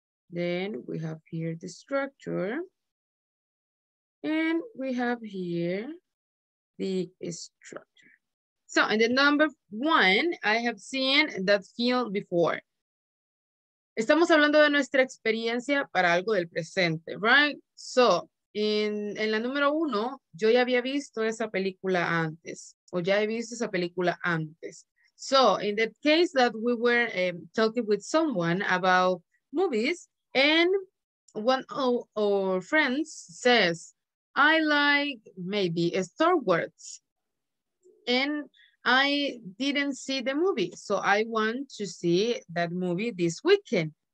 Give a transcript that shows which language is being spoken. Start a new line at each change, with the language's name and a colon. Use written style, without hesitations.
English: Then we have here the structure. And we have here the structure. So in the number one, I have seen that film before.
Spanish: Estamos hablando de nuestra experiencia para algo del presente,
English: right?
Spanish: So en la número uno, yo ya había visto esa película antes, o ya he visto esa película antes.
English: So in the case that we were talking with someone about movies, and one of our friends says, I like maybe Star Wars. And I didn't see the movie, so I want to see that movie this weekend.